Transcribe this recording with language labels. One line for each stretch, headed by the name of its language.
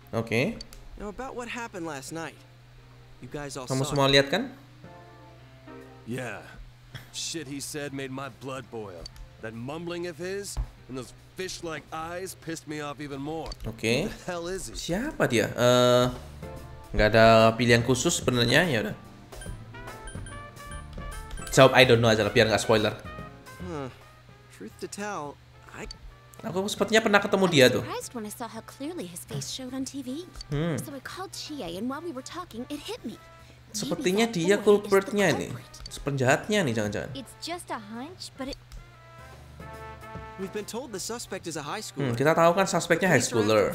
English: Okay. Now about what happened last night. You guys all
Indonesian: Kamu semua lihat kan?
English: Yeah. Shit he said made my blood boil. That mumbling of his and those fish-like eyes pissed me off even more. Okay. Who the hell is he?
Indonesian: Siapa dia? Gak ada pilihan khusus sebenarnya, ya udah. Jawab
English: I don't know
Indonesian: aja lah, biar gak spoiler.
English: Truth to tell, I.
Indonesian: Aku sepertinya pernah ketemu dia tuh.
English: Surprised when I saw how clearly his face showed on TV. So I called Chie and while we were talking, it hit me.
Indonesian: Sepertinya dia culprit-nya ini. Penjahatnya nih jangan-jangan.
English: It's just a hunch, but it... We've been told the suspect is a high schooler.
Indonesian: Kita tahu kan suspeknya high schooler.